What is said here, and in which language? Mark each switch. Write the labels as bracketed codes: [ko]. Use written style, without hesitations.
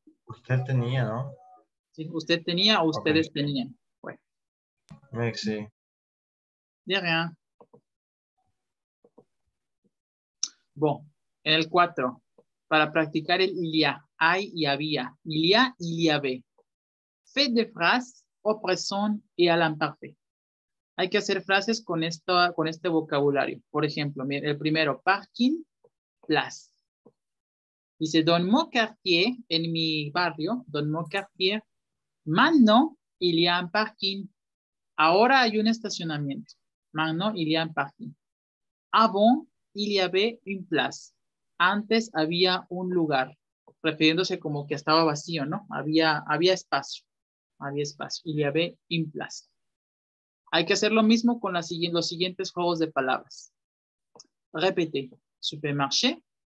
[es] Usted tenía, ¿no? Sí, usted tenía o ustedes okay. Tenían. [fr] Merci. De rien. [es] Bon, en el 4, para practicar el il y a, hay y había. [fr] Il y a, il y avait. Fait de phrase, au présent et à l'imparfait. [es] Hay que hacer frases con esto, con este vocabulario. Por ejemplo, el primero, parking, place. Dice, [fr] dans mon quartier, [es] en mi barrio, [fr] dans mon quartier, maintenant, il y a un parking. [es] Ahora hay un estacionamiento. [fr] Maintenant, il y a un parking. Avant, il y avait une place. [es] Antes, había un lugar. Refiriéndose como que estaba vacío, ¿no? Había espacio. Había espacio. [fr] Il y avait une place. [es] Hay que hacer lo mismo con los siguientes juegos de palabras. [fr] Repete. Supermarché.